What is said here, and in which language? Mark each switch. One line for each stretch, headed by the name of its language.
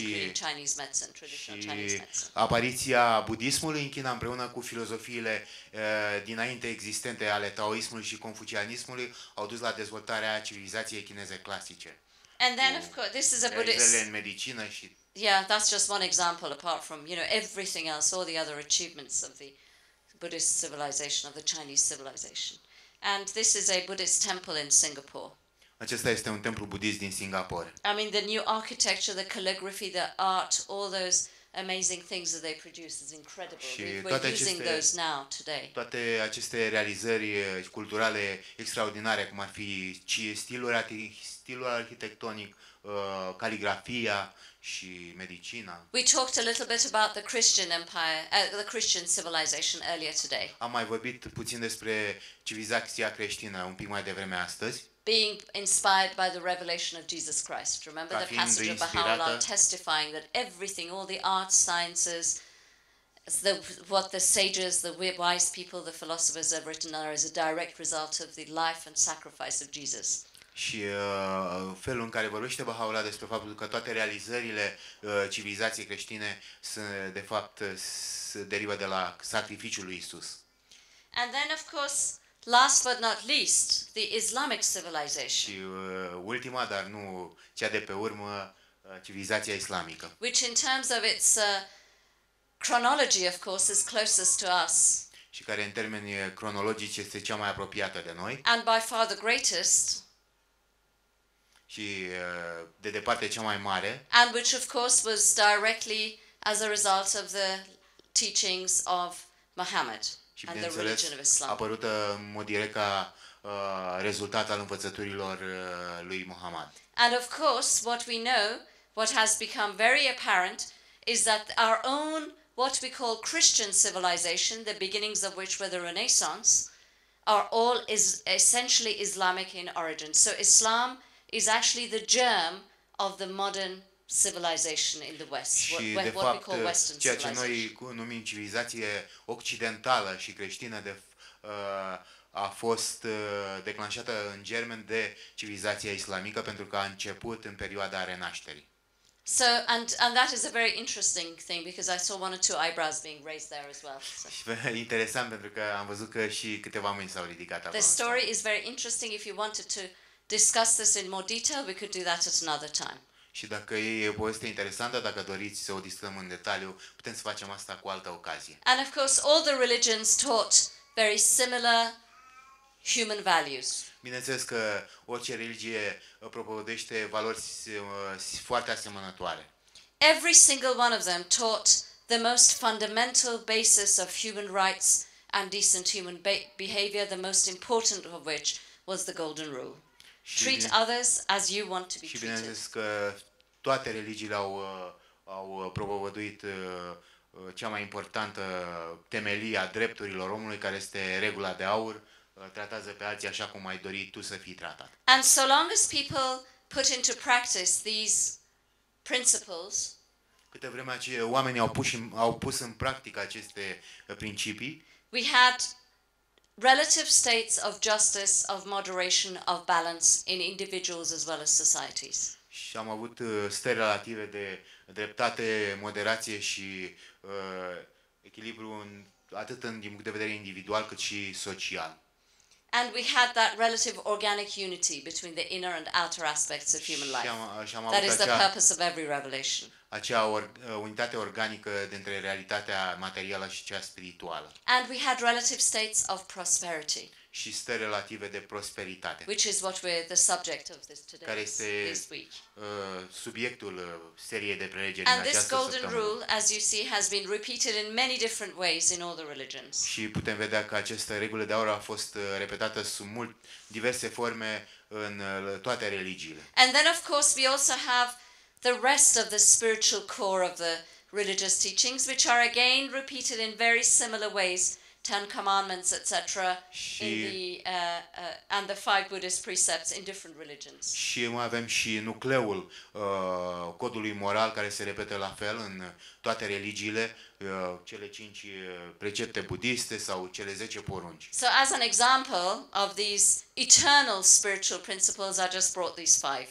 English: including Chinese medicine, traditional Chinese medicine.
Romanian: Apariția budismului în China împreună cu filozofiile dinainte existente ale taoismului și confucianismului au dus la dezvoltarea civilizației chineze clasice.
English: And then of course this is a Buddhist.
Romanian: Realizările în medicină și
English: yeah, that's just one example apart from, you know, everything else, all the other achievements of the Buddhist civilization, of the Chinese civilization. And this is a Buddhist temple in Singapore.
Romanian: Acesta este un templu budist din Singapore.
English: I mean, the new architecture, the calligraphy, the art, all those amazing things that they produce is incredible.
Romanian: Și
English: we're using those now today.
Romanian: Toate aceste realizări culturale extraordinare, cum ar fi stilul arhitectonic, caligrafia și medicina.
English: We talked a little bit about the Christian empire, the Christian civilization earlier today.
Romanian: Am mai vorbit puțin despre civilizația creștină un pic mai devreme astăzi.
English: Being inspired by the revelation of Jesus Christ. Remember the passage of Baha'u'llah testifying that everything, all the arts, sciences, what the sages, the wise people, the philosophers have written are as a direct result of the life and sacrifice of Jesus.
Romanian: Și felul în care vorbește Baha'u'llah despre faptul că toate realizările civilizației creștine sunt de fapt derivă de la sacrificiul lui Isus.
English: And then of course, last but not least, the Islamic civilization.
Romanian: Și ultima, dar nu cea de pe urmă, civilizația islamică.
English: Which in terms of its Chronology, of course, is closest to us.
Romanian: Și care în termeni cronologici este cea mai apropiată de noi.
English: And by far the greatest.
Romanian: Și de departe cea mai mare.
English: And which of course was directly as a result of the teachings of Muhammad and the religion of Islam.
Romanian: A apărut în mod direct ca rezultat al învățăturilor lui Muhammad.
English: And of course what we know, what has become very apparent, is that our own what we call Christian civilization, the beginnings of which were the Renaissance, are all is essentially Islamic in origin. So Islam is actually the germ of the modern civilization in the West, what we call Western civilization.
Romanian: Ceea ce noi numim civilizație occidentală și creștină de a fost declanșată în germen de civilizația islamică pentru că a început în perioada Renașterii.
English: So and that is a very interesting thing because I saw one or two eyebrows being raised there as well.
Romanian: Interesant pentru că am văzut că și câteva mâini s-au ridicat acolo.
English: The story is very interesting. If you wanted to discuss this in more detail, we could do that at another time.
Romanian: Și dacă e poveste interesantă, dacă doriți să o discutăm în detaliu, putem să facem asta cu altă ocazie.
English: And of course, all the religions taught very similar human values.
Romanian: Bineînțeles că orice religie propovăduiește valori foarte asemănătoare.
English: Every single one of them taught the most fundamental basis of human rights and decent human behavior, the most important of which was the golden rule. Treat others as you want to be treated.
Romanian: Și bineînțeles că toate religiile au propovăduit cea mai importantă temelie a drepturilor omului, care este regula de aur. Tratează pe alții așa cum ai dori tu să fii tratat.
English: And so long as people put into practice these principles,
Romanian: câte vreme oamenii au pus în practică aceste principii,
English: we had relative states of justice, of moderation, of balance in individuals as well as societies.
Romanian: Și am avut stări relative de dreptate, moderație și echilibru atât din punct de vedere individual cât și social.
English: And we had that relative organic unity between the inner and outer aspects of human life. That is the purpose of every revelation.
Romanian: Acea unitate organică dintre realitatea materială și cea spirituală.
English: And we had relative states of prosperity.
Romanian: Și stări relative de prosperitate.
English: Which is what we're the subject of this today.
Romanian: Care este subiectul seriei de prelegeri în această
English: And this golden rule, as you see, has been repeated in many different ways in all the religions.
Romanian: Și putem vedea că această regulă de aur a fost repetată sub multe diverse forme în toate religiile.
English: And then of course we also have the rest of the spiritual core of the religious teachings, which are again repeated in very similar ways. Ten Commandments, etc., in the and the five Buddhist precepts in different religions.
Romanian: Și mai avem și nucleul codului moral care se repete la fel în toate religiile, cele cinci precepte budiste sau cele 10 porunci.
English: So, as an example of these eternal spiritual principles, I just brought these five.